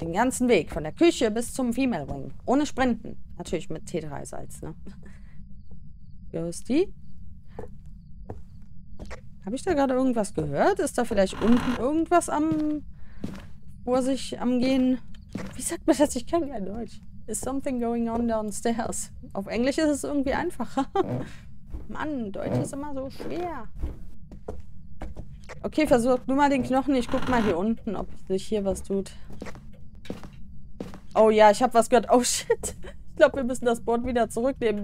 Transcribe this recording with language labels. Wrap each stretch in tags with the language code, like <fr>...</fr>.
<de>Den ganzen Weg von der Küche bis zum Female Wing. Ohne Sprinten. Natürlich mit T3-Salz, ne? Ghosty? Habe ich da gerade irgendwas gehört? Ist da vielleicht unten irgendwas am. Vor sich am Gehen? Wie sagt man das? Ich kann kein Deutsch.</de> <en>Is something going on downstairs?</en> <de>Auf Englisch ist es irgendwie einfacher. Mann, Deutsch ist immer so schwer. Okay, versuch nur mal den Knochen. Ich guck mal hier unten, ob sich hier was tut. Oh ja, ich habe was gehört. Oh shit. Ich glaube, wir müssen das Board wieder zurücknehmen.</de>